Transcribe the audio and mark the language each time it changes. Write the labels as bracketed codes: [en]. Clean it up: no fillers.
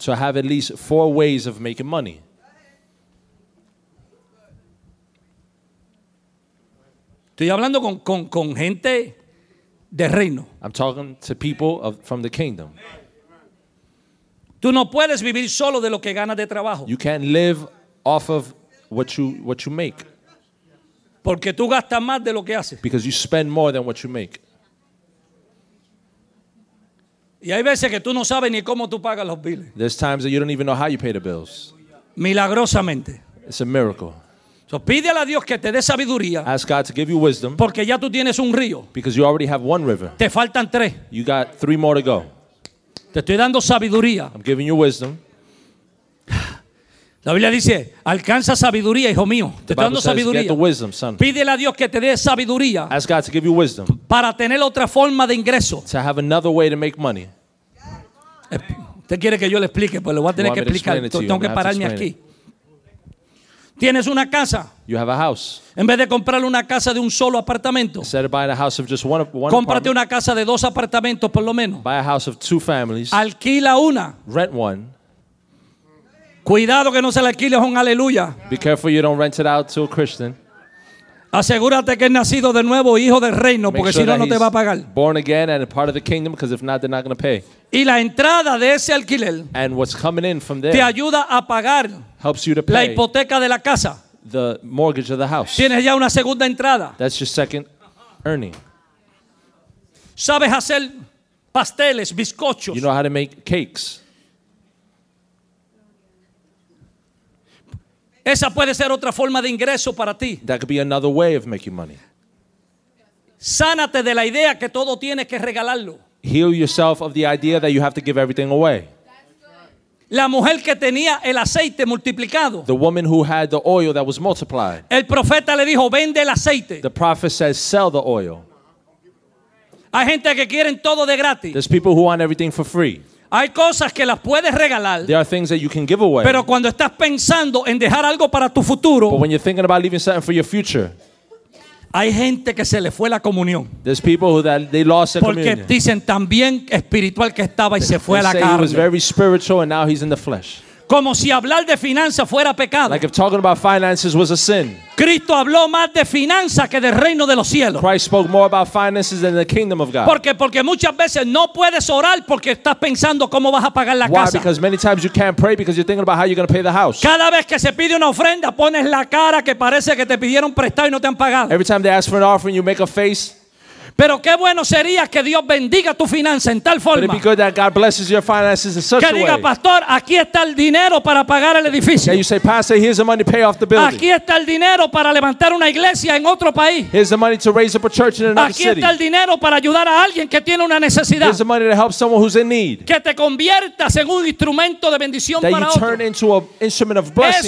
[en] To have at least four ways of making money. [es] Estoy hablando con gente de reino. [en] I'm talking to people from the kingdom. [es] Tú no puedes vivir solo de lo que ganas de trabajo. [en] You can't live off of what you make. [es] Porque tú gastas más de lo que haces. [en] Because you spend more than what you make. [es] Y hay veces que tú no sabes ni cómo tú pagas los biles. [en] There's times that you don't even know how you pay the bills. [es] Milagrosamente. [en] It's a miracle. [es] So pídele a Dios que te dé sabiduría. [en] Ask God to give you wisdom. [es] Porque ya tú tienes un río. [en] Because you already have one river. [es] Te faltan tres. [en] You got three more to go. [es] Te estoy dando sabiduría. [en] I'm giving you wisdom. [es] La Biblia dice, alcanza sabiduría, hijo mío. Te estoy dando sabiduría. [en] Get the wisdom, son. [es] Pídele a Dios que te dé sabiduría. [en] Ask God to give you wisdom. [es] Para tener otra forma de ingreso. [en] To have another way to make money. [es] Usted quiere que yo le explique, pues lo voy a tener que explicar. Tengo que pararme aquí. Tienes una casa. [en] You have a house. [es] En vez de comprar una casa de un solo apartamento. [en] Instead of buying a house of just one apartment. [es] Cómprate una casa de dos apartamentos por lo menos. [en] Buy a house of two families. [es] Alquila una. [en] Rent one. [es] Cuidado que no se le alquile a un aleluya. [en] Be careful you don't rent it out to a Christian. [es] Asegúrate que es nacido de nuevo, hijo del reino, porque si no, no te va a pagar. [en] Born again and a part of the kingdom, because if not, they're not going to pay. [es] Y la entrada de ese alquiler. [en] And what's coming in from there. [es] Te ayuda a pagar. [en] Helps you to pay. [es] La hipoteca de la casa. [en] The mortgage of the house. [es] Tienes ya una segunda entrada. [en] That's your second earning. [es] Sabes hacer pasteles, bizcochos. [en] You know how to make cakes. [es] Esa puede ser otra forma de ingreso para ti. [en] That could be another way of making money. [es] Sánate de la idea que todo tienes que regalarlo. [en] Heal yourself of the idea that you have to give everything away. [es] La mujer que tenía el aceite multiplicado. [en] The woman who had the oil that was multiplied. [es] El profeta le dijo, vende el aceite. [en] The prophet says, sell the oil. [es] Hay gente que quieren todo de gratis. [en] There's people who want everything for free. [es] Hay cosas que las puedes regalar. [en] There are things that you can give away. [es] Pero cuando estás pensando en dejar algo para tu futuro. [en] But when you're thinking about leaving something for your future. [es] Hay gente que se le fue la comunión. [en] There's people who they lost their communion. [es] Porque dicen también espiritual que estaba y se fue a la carne. [en] They say he was very spiritual and now he's in the flesh. [es] Como si hablar de finanzas fuera pecado. [en] Like if talking about finances was a sin. [es] Cristo habló más de finanzas que del reino de los cielos. [en] Christ spoke more about finances than the kingdom of God. [es] Porque muchas veces no puedes orar porque estás pensando cómo vas a pagar la [en] Why? [es] Casa. [en] Why? Because many times you can't pray because you're thinking about how you're going to pay the house. [es] Cada vez que se pide una ofrenda pones la cara que parece que te pidieron prestado y no te han pagado. [en] Every time they ask for an offering you make a face. [es] Pero qué bueno sería que Dios bendiga tu finanza en tal forma. [en] But it'd be good that God blesses your finances in such [es] que diga, [en] a way. [es] Pastor, aquí está el dinero para pagar el edificio. [en] Yeah, you say, Pastor, here's the money to pay off the building. [es] Aquí está el dinero para levantar una iglesia en otro país. [en] Here's the money to raise up a church in another [es] aquí [en] city. [es] Aquí está el dinero para ayudar a alguien que tiene una necesidad. [en] Here's the money to help someone who's in need. [es] Que te conviertas en un instrumento de bendición [en] that [es] para otro. [en] That you turn into an instrument of blessing